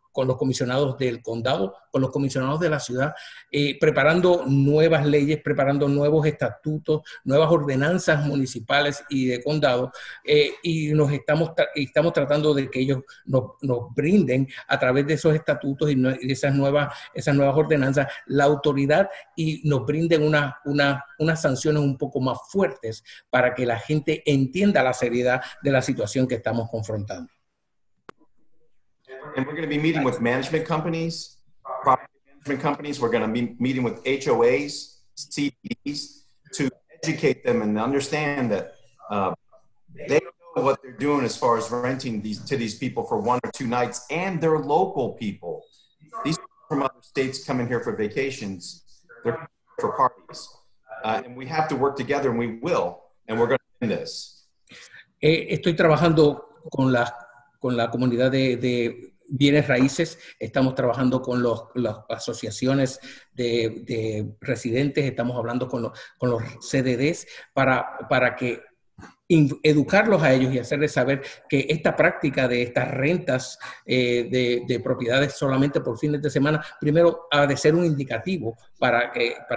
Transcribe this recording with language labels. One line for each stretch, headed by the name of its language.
Spanish: con los comisionados del condado, con los comisionados de la ciudad, preparando nuevas leyes, preparando nuevos estatutos, nuevas ordenanzas municipales y de condado, y nos estamos tratando de que ellos nos brinden a través de esos estatutos y esas nuevas ordenanzas la autoridad y nos brinden unas sanciones un poco más fuertes para que la gente entienda la seriedad de la situación que estamos confrontando.
English: And we're going to be meeting with management companies, property management companies. We're going to be meeting with HOAs, CDs, to educate them and understand that they don't know what they're doing as far as renting these to these people for one or two nights, and they're local people. These people from other states come in here for vacations. They're for parties. And we have to work together, and we will, and we're going to win this.
Spanish: Estoy trabajando con la comunidad de bienes raíces, estamos trabajando con las asociaciones de residentes, estamos hablando con los CDDs para educarlos a ellos y hacerles saber que esta práctica de estas rentas de propiedades solamente por fines de semana, primero ha de ser un indicativo para que